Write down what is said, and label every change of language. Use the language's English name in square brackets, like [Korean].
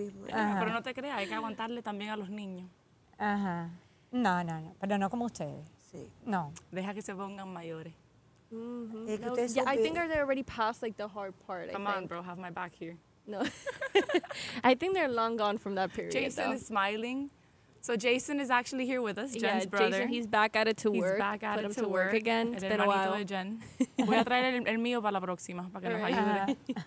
[Spanish] Pero no te creas, hay que aguantarle también a los niños. Ajá. No. Pero no como ustedes. Sí. No. Deja que se pongan mayores. Mm-hmm. Es que ustedes son [English] I think they're already past like the hard part. Come on, bro. Have my back here. No, I think they're long gone from that period. Jason though. Is smiling. So Jason is actually here with us, Jen's brother. Jason, he's back at it to work again. It's been a while. [Spanish] El hermanito de Jen. Voy a traer el mío para la próxima, para que nos ayude.